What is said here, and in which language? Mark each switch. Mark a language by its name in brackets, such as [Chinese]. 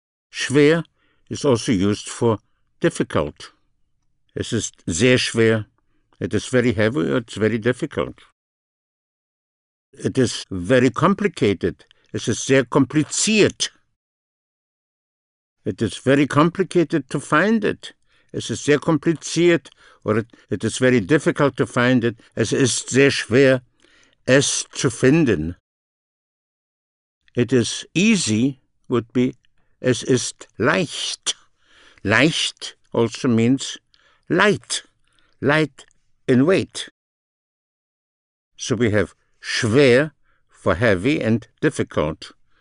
[English] Schwer is also used for difficult. [German] Es ist sehr schwer. [English] It is very heavy or it's very difficult. It is very complicated. [German] Es ist sehr kompliziert. [English] It is very complicated to find it. [German] Es ist sehr kompliziert. [English] Or it is very difficult to find it. [German] Es ist sehr schwer, es zu finden. [English] It is easy would be [German] es ist leicht. [English] Leicht also means light. Light in weight. So we have schwer for heavy and difficult.